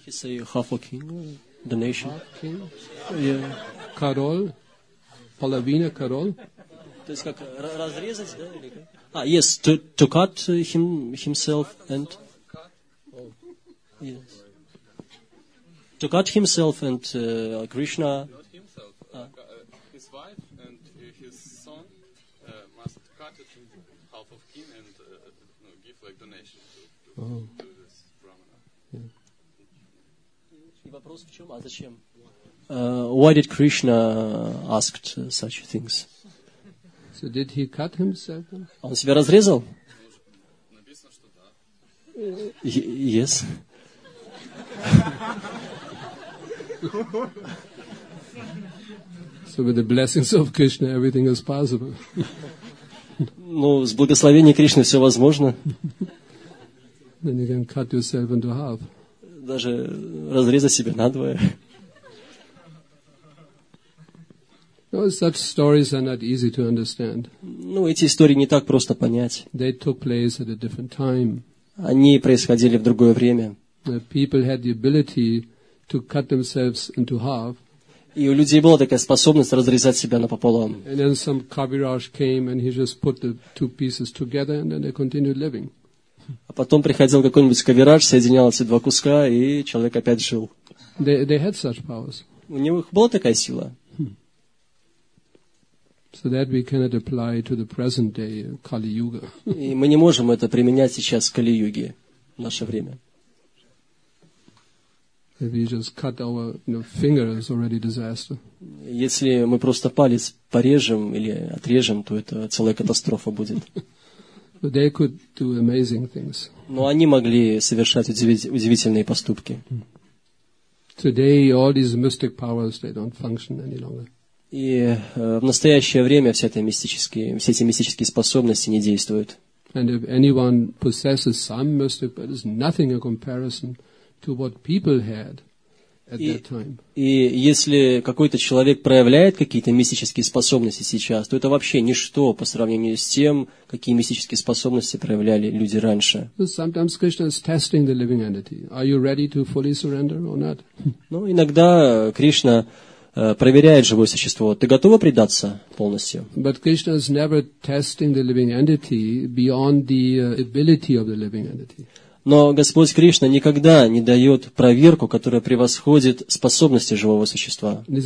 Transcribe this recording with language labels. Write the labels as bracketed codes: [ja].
[en] He say half a king, the nation. Half king? Yeah. [ru] Король? Половина король? То есть как разрезать, да? [en] Ah, yes, to cut himself and... Yes. To cut himself and Krishna... Not himself. His wife and his son must cut it in half of him and give like donation to this Brahmana. [ru] И вопрос в чем, а зачем? [en] Why did Krishna ask such things? So did he cut himself? [ru] Он себя разрезал? Написано, что да. [en] Yes. So with the blessings of Krishna, everything is possible. [ru] Ну, с благословения Кришны все возможно. [en] Then you can cut yourself into half. [ru] Даже разрезать себя надвое. [en] No, such stories are not easy to understand. [ru] Ну, эти истории не так просто понять. [en] They took place at a different time. [ru] Они происходили в другое время. [en] People had the ability to cut themselves into half. [ru] И у людей была такая способность разрезать себя напополам. [en] And then some Kaviraj came and he just put the two pieces together and then they continued living. [ru] А потом приходил какой-нибудь Кавираж, соединял эти два куска и человек опять жил. [en] They had such powers. [ru] У них была такая сила. [en] So that we cannot apply to the present day Kali Yuga. [ru] И мы не можем это применять сейчас в Кали-юге, в наше время. [en] If we just cut our finger, it's already disaster. [ru] Если мы просто палец порежем или отрежем, то это целая катастрофа будет. [en] But they could do amazing things. [ru] Но они могли совершать удивительные поступки. [en] Today all these mystic powers, they don't function any longer. [ru] И в настоящее время все эти мистические способности не действуют. [en] And if anyone possesses some mystic, but it's nothing in comparison to what people had at that time. [ru] И если какой-то человек проявляет какие-то мистические способности сейчас, то это вообще ничто по сравнению с тем, какие мистические способности проявляли люди раньше. [en] Sometimes Krishna is testing the living entity. Are you ready to fully surrender or not? [ru] Ну, иногда Кришна проверяет живое существо. Ты готова предаться полностью? [en] But Krishna is never testing the living entity beyond the ability of the living entity. [ru] Но Господь Кришна никогда не дает проверку, которая превосходит способности живого существа.